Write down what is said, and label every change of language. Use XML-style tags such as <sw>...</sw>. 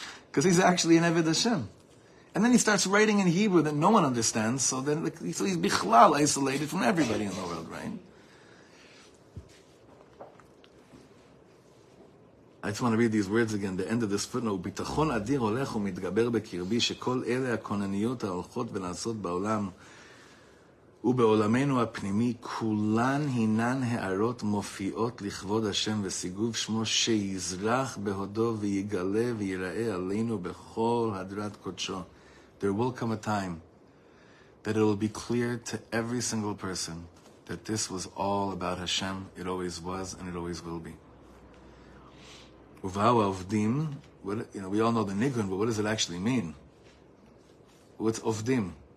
<en>Because he's actually an Eved Hashem. And then he starts writing in Hebrew that no one understands, so he's bichlal, isolated from everybody in the world, right? I just want to read these words again, the end of this footnote.</en> <he>Bitachon adir olech umitgaber bekirbi shekol ele hakonaniyot ha'olchot ve'nasot ba'olam ובעולמנו הפנימי כולן הינן הערות מופיעות לכבוד השם וסיגוב שמו שיזרח בהודו ויגלה ויראה עלינו בכל הדרת קודשו.</he> <en>There will come a time that it will be clear to every single person that this was all about Hashem. It always was and it always will be.</en> <he>ובאו העובדים,</he> <en>you know, we all know the nigun, but what does it actually mean? What's עובדים?</en>